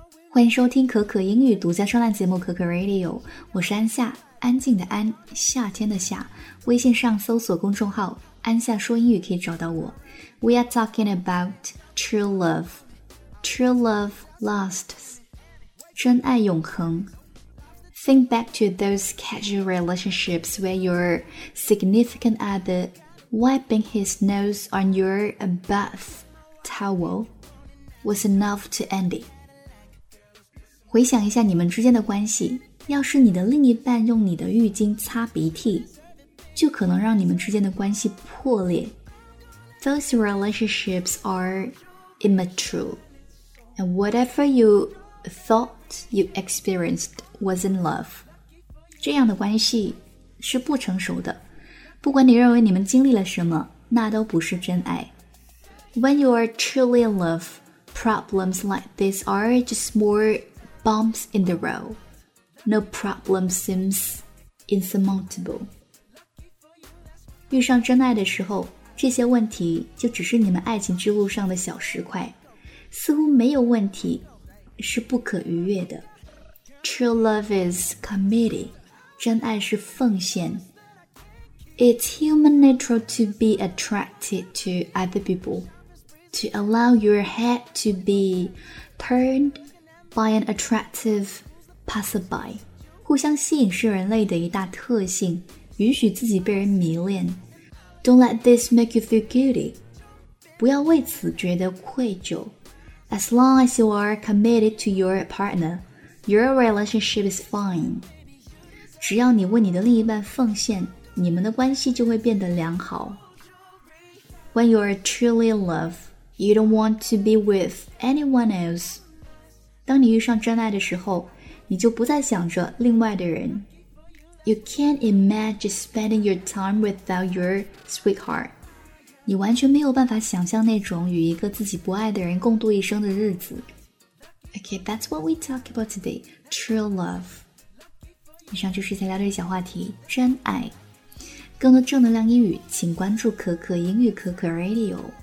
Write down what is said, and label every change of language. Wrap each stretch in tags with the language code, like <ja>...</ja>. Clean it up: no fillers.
<zh>欢迎收听可可英语独家专栏节目可可 Radio， 我是安夏，安静的安，夏天的夏。微信上搜索公众号安夏说英语可以找到我。</zh> <en>We are talking about true love. True love lasts.</en> <zh>真爱永恒。</zh> <en>Think back to those casual relationships where your significant other wiping his nose on your bath towel was enough to end it.</en> <zh>回想一下你们之间的关系，要是你的另一半用你的浴巾擦鼻涕，就可能让你们之间的关系破裂。</zh> <en>Those relationships are immature. And whatever you thought you experienced wasn't love.</en> <zh>这样的关系是不成熟的，不管你认为你们经历了什么，那都不是真爱。</zh> <en>When you are truly in love, problems like this are just more bumps in the road. No problem seems insurmountable.</en> <zh>遇上真爱的时候，这些问题就只是你们爱情之路上的小石块，似乎没有问题是不可逾越的。</zh> <en>True love is committed.</en> <zh>真爱是奉献。</zh> <en>It's human nature to be attracted to other people. To allow your head to be turned by an attractive passerby.</en> <zh>互相吸引是人类的一大特性，允许自己被人迷恋。</zh> <en>Don't let this make you feel guilty.</en> <zh>不要为此觉得愧疚。</zh> <en>As long as you are committed to your partner, your relationship is fine.</en> <zh>只要你为你的另一半奉献，你们的关系就会变得良好。</zh> <en>When you are truly in love, you don't want to be with anyone else.</en> <zh>当你遇上真爱的时候，你就不再想着另外的人。</zh> <en>You can't imagine spending your time without your sweetheart.</en> <zh>你完全没有办法想象那种与一个自己不爱的人共度一生的日子。</zh> <en>Okay, that's what we talk about today. True love.</en> <zh>以上就是今天聊的小话题，真爱。更多正能量英语，请关注可可英语可可 Radio。</zh>